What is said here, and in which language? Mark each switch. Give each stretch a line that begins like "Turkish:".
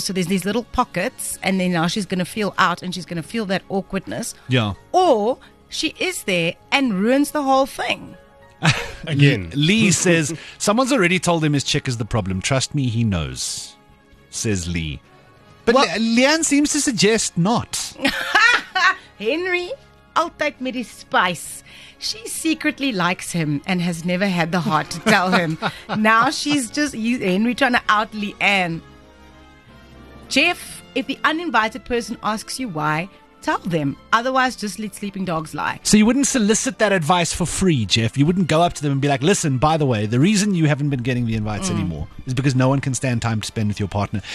English: So there's these little pockets, and then now she's going to feel out and she's going to feel that awkwardness. Yeah. Or she is there and ruins the whole thing. Again. Lee says, someone's already told him his chick is the problem. Trust me, he knows, says Lee. But well, Leanne seems to suggest not.
Dutch: Henry, altijd met die spice.
English: She secretly likes him and has never had the heart to tell him. Now she's just, Henry trying to out Leanne. Jeff, if the uninvited person asks you why, tell them. Otherwise, just let sleeping dogs lie. So you wouldn't solicit that advice for free, Jeff. You wouldn't go up to them and be like, listen, by the way, the reason you haven't been getting the invites anymore is because no one can stand time to spend with your partner.